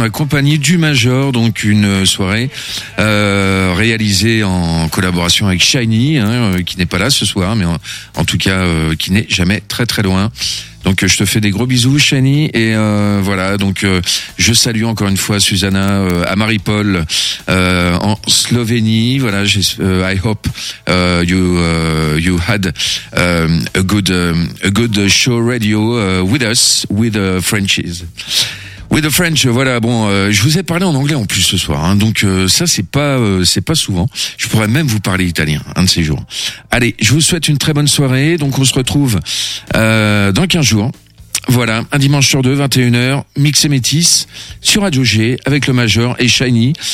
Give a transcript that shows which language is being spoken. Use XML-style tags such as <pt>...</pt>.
<fr>En la compagnie du Major, donc une soirée réalisée en collaboration avec Shiny, hein, qui n'est pas là ce soir, mais en tout cas qui n'est jamais très très loin. Donc je te fais des gros bisous, Shiny, et voilà. Donc je salue encore une fois Susanna à Maripol en Slovénie.</fr> <en>Voilà, I hope you had a good show radio with us, with the Frenchies. With the French, voilà.</en> <fr>Bon, je vous ai parlé en anglais en plus ce soir, hein, donc ça c'est pas souvent. Je pourrais même vous parler italien un de ces jours. Allez, je vous souhaite une très bonne soirée. Donc on se retrouve dans 15 jours. Voilà, un dimanche sur deux, 21h, Mix et Métis sur Radio G avec le Major et Shiny.</fr>